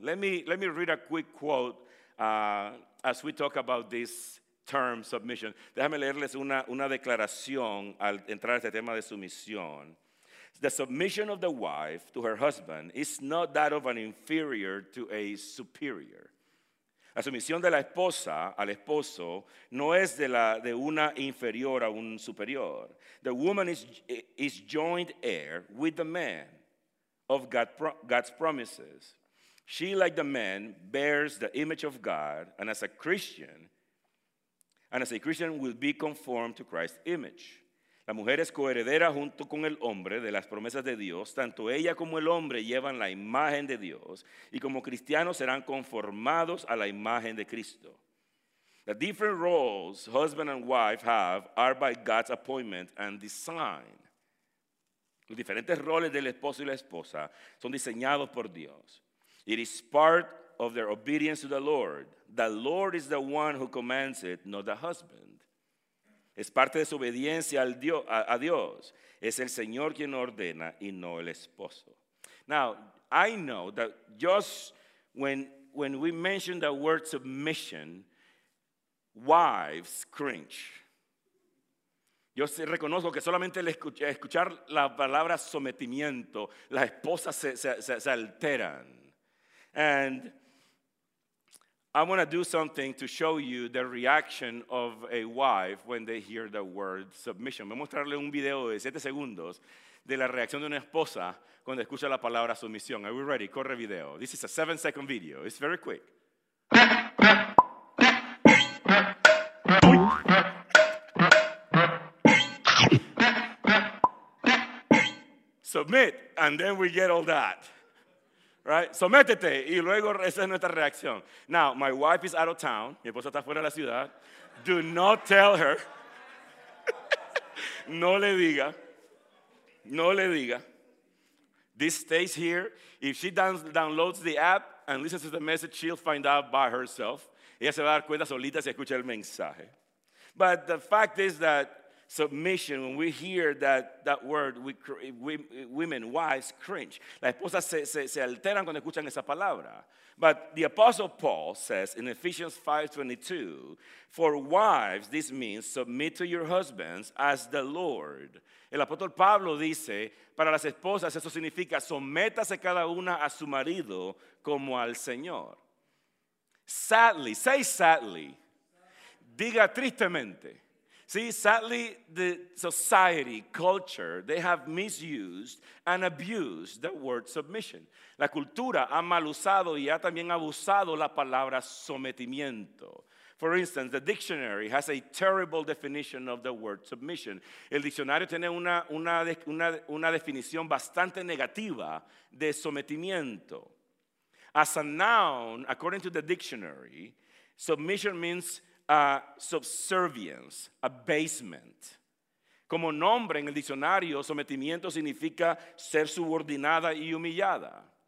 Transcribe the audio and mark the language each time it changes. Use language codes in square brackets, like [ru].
[en] Let me read a quick quote as we talk about this term submission. [es] Déjame leerles una declaración al entrar a este tema de sumisión. [en] The submission of the wife to her husband is not that of an inferior to a superior. [es] La sumisión de la esposa al esposo no es de la de una inferior a un superior. [en] The woman is joint heir with the man of God's promises. She, like the man, bears the image of God, and as a Christian, will be conformed to Christ's image. [es] La mujer es coheredera junto con el hombre de las promesas de Dios. Tanto ella como el hombre llevan la imagen de Dios, y como cristianos serán conformados a la imagen de Cristo. [en] The different roles husband and wife have are by God's appointment and design. [es] Los diferentes roles del esposo y la esposa son diseñados por Dios. [en] It is part of their obedience to the Lord. The Lord is the one who commands it, not the husband. [es] Es parte de su obediencia a Dios. Es el Señor quien ordena y no el esposo. [en] Now, I know that just when we mention the word submission, wives cringe. [es] Yo reconozco que solamente al escuchar la palabra sometimiento, las esposas se alteran. [en] And I want to do something to show you the reaction of a wife when they hear the word submission. [es] Voy a mostrarle un video de 7 segundos de la reacción de una esposa cuando escucha la palabra sumisión. [en] Are we ready? [es] Corre video. [en] This is a 7-second video. It's very quick. Submit, and then we get all that. Right? [es] Sométete, y luego esa es nuestra reacción. [en] Now, my wife is out of town. [es] Mi esposa está fuera de la ciudad. [en] Do not tell her. [es] No le diga. No le diga. [en] This stays here. If she downloads the app and listens to the message, she'll find out by herself. [es] Ella se va a dar cuenta solita si escucha el mensaje. [en] But the fact is that submission, when we hear that word, women, wives, cringe. [es] Las esposas se alteran cuando escuchan esa palabra. [en] But the Apostle Paul says in Ephesians 5:22, for wives, this means submit to your husbands as the Lord. [es] El apóstol Pablo dice, para las esposas eso significa sométase cada una a su marido como al Señor. [en] Sadly, say sadly, [es] diga tristemente. [en] See, sadly, the society, culture, they have misused and abused the word submission. [es] La cultura ha mal usado y ha también abusado la palabra sometimiento. [en] For instance, the dictionary has a terrible definition of the word submission. [es] El diccionario tiene una definición bastante negativa de sometimiento. [en] As a noun, according to the dictionary, submission means subservience, abasement. [es] Como nombre en el diccionario, sometimiento significa ser subordinada y humillada.